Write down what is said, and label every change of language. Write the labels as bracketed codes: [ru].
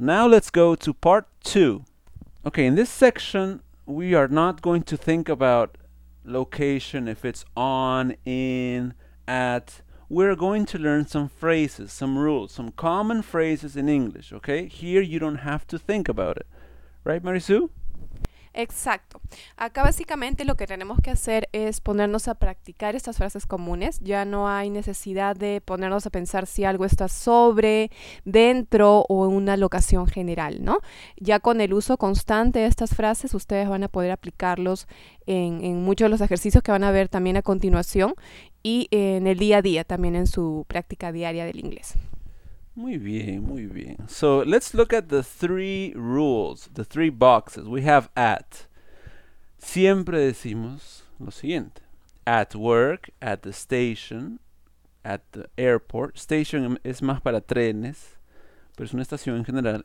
[en] Now let's go to part 2. Okay, in this section, we are not going to think about location, if it's on, in, at. We're going to learn some phrases, some rules, some common phrases in English, okay? Here you don't have to think about it. Right, Marisu? [es] Exacto. Acá básicamente lo que tenemos que hacer es ponernos a practicar estas frases comunes. Ya no hay necesidad de ponernos a pensar si algo está sobre, dentro o en una locación general, ¿no? Ya con el uso constante de estas frases, ustedes van a poder aplicarlos en muchos de los ejercicios que van a ver también a continuación y en el día a día, también en su práctica diaria del inglés. Muy bien, muy bien. [en] So let's look at the 3 rules, the 3 boxes we have at. [es] Siempre decimos lo siguiente. [en] At work, at the station, at the airport. [es] Station es más para trenes, pero es una estación en general.